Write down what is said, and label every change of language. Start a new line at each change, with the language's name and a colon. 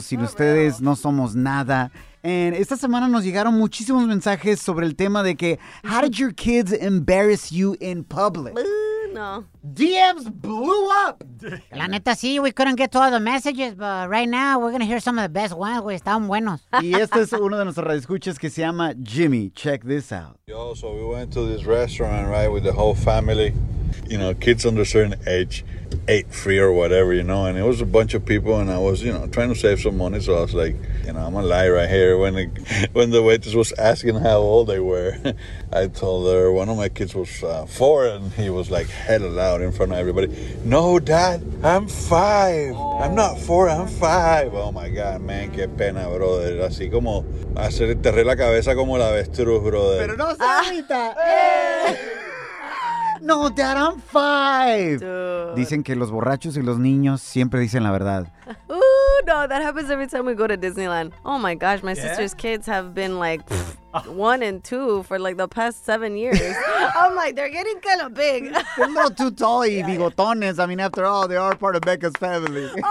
Spanish: Sin ustedes no somos nada. And esta semana nos llegaron muchísimos mensajes sobre el tema de que
English: how did your kids embarrass you in public?
Spanish: No.
English: DMs blew up.
Spanish: La neta sí,
English: we couldn't get to all the messages, but right now we're going to hear some of the best ones, güey.
Spanish: Están buenos. Y este es uno de nuestros radioescuchas que se llama Jimmy.
English: Check this out. Yo, so we went to this restaurant, right, with the whole family. You know, kids under a certain age ate free or whatever, you know, and it was a bunch of people, and I was, you know, trying to save some money, so I was like, you know, I'm gonna lie right here. When the waitress was asking how old they were, I told her one of my kids was 4, and he was like, hella loud in front of everybody, "No, Dad, I'm 5. I'm not 4, I'm 5. Oh my God, man,
Spanish: qué pena,
English: brother.
Spanish: Así como hacer enterré la cabeza como la avestruz, brother. Pero no se ahorita.
English: No, Dad, I'm 5. Dude.
Spanish: Dicen que los borrachos y los niños siempre dicen la verdad.
English: No, that happens every time we go to Disneyland. Oh my gosh, my sister's kids have been like 1 and 2 for like the past 7 years. I'm like, they're getting kind of big. They're a little too tall
Spanish: y bigotones.
English: I mean, after all, they are part of Becca's family.